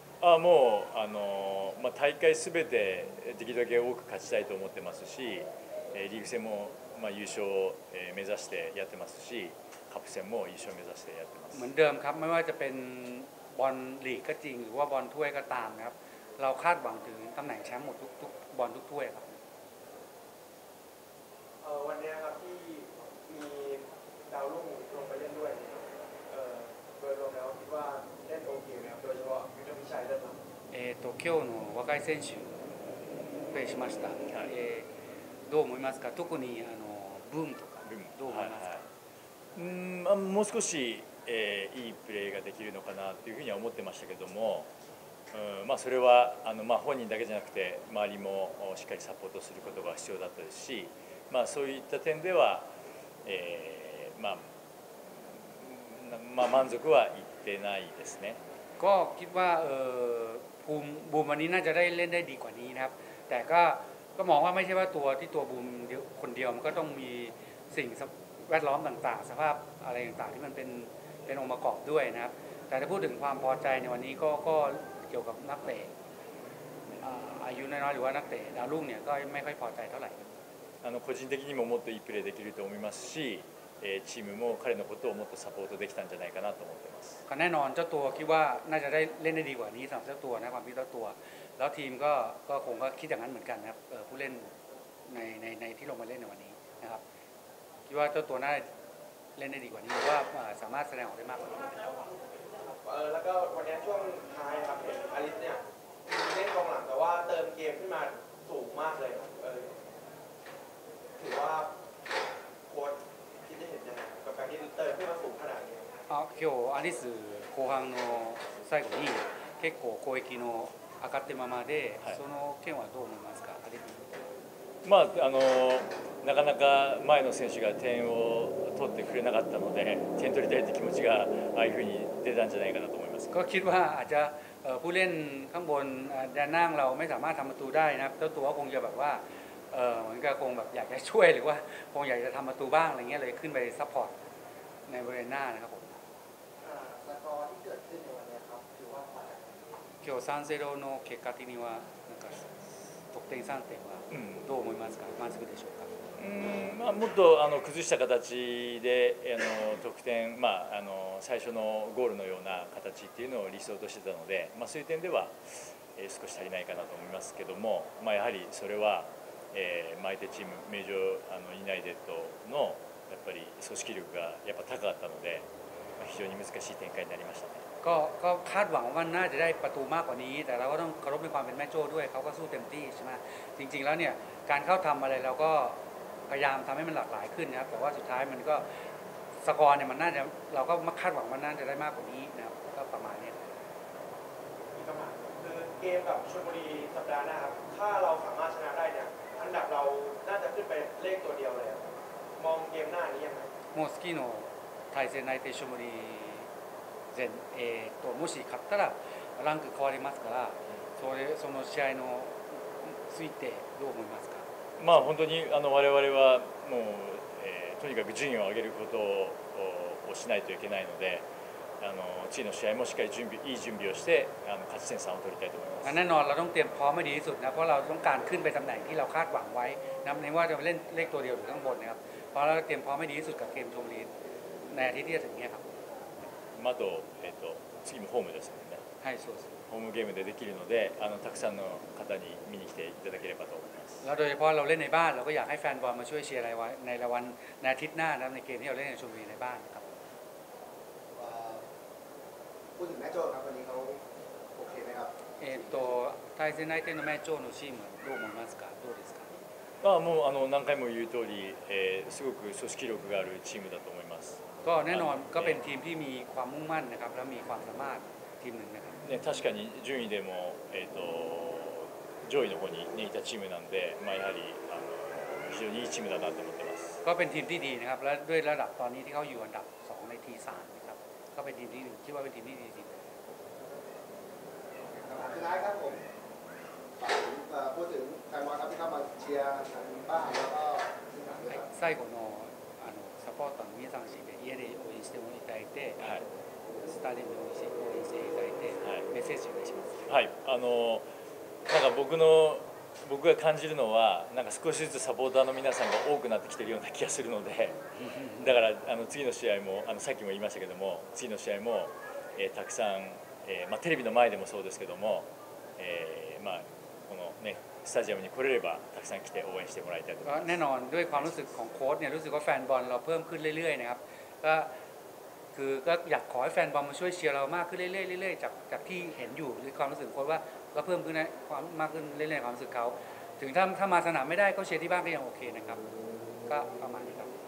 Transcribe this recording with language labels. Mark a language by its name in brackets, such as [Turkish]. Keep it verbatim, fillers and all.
[Japanese] あもうあの、まあ、大会すべてできるだけ多く勝ちたいと思ってますしリーグ戦も、まあ、優勝を目指してやってますしカップ戦も優勝を目指してやってます [Thai] เหมือนเดิมครับไม่ว่าจะเป็นบอลลีกก็จริงหรือว่าบอลถ้วยก็ตามนะครับเราคาดหวังถึงตำแหน่งแชมป์หมดทุกๆบอลทุกถ้วยครับ เอ่อวันนี้ครับที่มีดาวรุ่งลงไปเล่นด้วยเอ่อโดยรวมแล้วคิดว่าเล่นโอเคไหมครับโดยเฉพาะยุทธวิชัยด้วยครับ [Japanese] เอ่อと今日の若い選手プレーしました。えー、どう思いますか？特にあのブームとかどう思いますか？うーん、まあ、もう少し、えー、いいプレーができるのかなというふうには思ってましたけども、うんまあ、それはあの、まあ、本人だけじゃなくて周りもしっかりサポートすることが必要だったですし、まあ、そういった点では、えーまあまあ、満足はいってないですね。 [Thai] ก็คิดว่าเอ่อภูมิบูมวันนี้น่าจะได้เล่นได้ดีกว่านี้นะครับแต่ก็ก็มองว่าไม่ใช่ว่าตัวที่ตัวบูมคนเดียวมันก็ต้องมีสิ่งแวดล้อมต่างๆสภาพอะไรต่างๆที่มันเป็นเป็นองค์ประกอบด้วยนะครับแต่ถ้าพูดถึงความพอใจในวันนี้ก็ก็เกี่ยวกับนักเตะอายุน้อยๆหรือว่านักเตะดาวรุ่งเนี่ยก็ไม่ค่อยพอใจเท่าไหร่ [Japanese] あの個人的にももっといいプレーできると思いますし、えー、チームも彼のことをもっとサポートできたんじゃないかなと思っています。 [Thai] แน่นอนเจ้าตัวคิดว่าน่าจะได้เล่นได้ดีกว่านี้สำหรับเจ้าตัวนะความคิดเจ้าตัวแล้วทีมก็ก็คงก็คิดอย่างนั้นเหมือนกันนะครับผู้เล่นในในในที่ลงมาเล่นในวันนี้นะครับคิดว่าเจ้าตัวน่าเล่นได้ดีกว่านี้หรือว่าสามารถแสดงออกได้มากกว่านี้ เออแล้วก็วันนี้ช่วงท้ายครับอลิสเนี่ยเล่นกองหลังแต่ว่าเติมเกมขึ้นมาสูงมากเลยครับเออถือว่าโค้ชคิดได้เห็นยังไงกับการที่เติมขึ้นมาสูงขนาดนี้ [Japanese] อ๋อ今日アリス後半の最後に結構攻撃の上がってままで、はい、その件はどう思いますか？まああのなかなか前の選手が点を取ってくれなかったので、点取りたいという気持ちがああいうふうに出たんじゃないかなと思います。 [Thai] ก็คิดว่าอาจจะผู้เล่นข้างบนแดนล่างเราไม่สามารถทำประตูได้นะครับเจ้าตัวคงจะแบบว่าเอ่อเหมือนกับคงแบบอยากจะช่วยหรือว่าคงอยากจะทำประตูบ้างอะไรเงี้ยเลยขึ้นไปซัพพอร์ตในบริเวณหน้านะครับผม สกอร์ที่เกิดขึ้นในวันนี้ครับถือว่าพอใจ [Japanese] 今日さん ゼロの結果的にはなんか得点さん点はどう思いますか、うん、満足でしょうか？うんまあ、もっとあの崩した形であの得点、まあ、あの最初のゴールのような形っていうのを理想としてたので、まあ、そういう点では、えー、少し足りないかなと思いますけども、まあ、やはりそれは、えー、相手チーム名城あのユナイテッドのやっぱり組織力がやっぱ高かったので、まあ、非常に難しい展開になりましたね。 [Thai] ก็ก็คาดหวังว่าน่าจะได้ประตูมากกว่านี้แต่เราก็ต้องเคารพในความเป็นแม่โจ้ด้วยเขาก็สู้เต็มที่ใช่ไหมจริงๆแล้วเนี่ยการเข้าทำอะไรเราก็พยายามทำให้มันหลากหลายขึ้นนะครับแต่ว่าสุดท้ายมันก็สกอร์เนี่ยมันน่าจะเราก็คาดหวังว่าน่าจะได้มากกว่านี้นะครับก็ประมาณนี้ มีประมาณคือเกมกับชลบุรีสัปดาห์หน้าครับถ้าเราสามารถชนะได้เนี่ยอันดับเราน่าจะขึ้นไปเลขตัวเดียวเลยมองเกมหน้านี้ยังไง โมสกี้โน ไทยเซนไนเตชโมรีเซนเอ [Japanese] ともし勝ったらランク変わりますから、それその試合のついてどう思いますか？まあ本当にあの我々はもう、えー、とにかく順位を上げることをしないといけないので、あの次の試合もしっかり準備いい準備をしてあの勝ち点さんを取りたいと思います。 [Thai] แน่นอนเราต้องเตรียมพร้อมให้ดีที่สุดนะเพราะเราต้องการขึ้นไปตำแหน่งที่เราคาดหวังไว้นะไม่ว่าจะเล่นเลขตัวเดียวหรือข้างบนนะครับเพราะเราเตรียมพร้อมให้ดีที่สุดกับเกมชมรีในอาทิตย์ที่จะถึงนี้ครับ [Japanese] まあとえっと次もホームですね。はいそうです。ホームゲームでできるので、あのたくさんの方に見に来ていただければと思います。 [Thai] แล้วโดยเฉพาะเราเล่นในบ้านเราก็อยากให้แฟนบอลมาช่วยเชียร์ในวันในวันอาทิตย์หน้านะในเกมที่เราเล่นในชมรีในบ้านครับ พูดถึงแม่โจ้ครับวันนี้เขาโอเคไหมครับ เอ่อตัว [Japanese] 対戦相手のแม่โจ้のチームどう思いますかどうですかああもうあの何回も言う通り、えー、すごく組織力があるチームだと思います。 [Thai] ก็แน่นอนก็เป็นทีมที่มีความมุ่งมั่นนะครับและมีความสามารถทีมหนึ่งนะครับ [Japanese] ね確かに順位でもえっと上位の方にねいたチームなんで、まあやはりあの非常にいいチームだなと思ってます。 [Thai] ก็เป็นทีมที่ดีนะครับและด้วยระดับตอนนี้ที่เขาอยู่อันดับสองในทีสามนะครับก็เป็นทีมที่ดีคิดว่าเป็นทีมที่ดีจริง สุดท้ายครับผมพูดถึงแฟนบอลครับที่เข้ามาเชียร์ทางบ้านแล้วก็ที่สนามด้วยครับ ไซโกโน [Japanese] サポーターの皆さんに家で応援してもらいたいで、はい、スタジアムで応援していただいて、はい、メッセージをお願いします。はい、あのなんか僕の僕が感じるのはなんか少しずつサポーターの皆さんが多くなってきてるような気がするので、だからあの次の試合もあのさっきも言いましたけども次の試合も、えー、たくさん、えーまあ、テレビの前でもそうですけども、えー、まあこのね。スタジアムに来れればたくさん来て応援してもらいたいと思います。 [Thai] แน่นอนด้วยความรู้สึกของโค้ชเนี่ยรู้สึกว่าแฟนบอลเราเพิ่มขึ้นเรื่อยๆนะครับก็คือก็อยากขอให้แฟนบอลมาช่วยเชียร์เรามากขึ้นเรื่อยๆเรื่อยๆจากจากที่เห็นอยู่ด้วยความรู้สึกโค้ชว่าก็เพิ่มขึ้นนะความมากขึ้นเรื่อยๆความรู้สึกเขาถึงถ้าถ้ามาสนามไม่ได้ก็เชียร์ที่บ้านก็ยังโอเคนะครับก็ประมาณนี้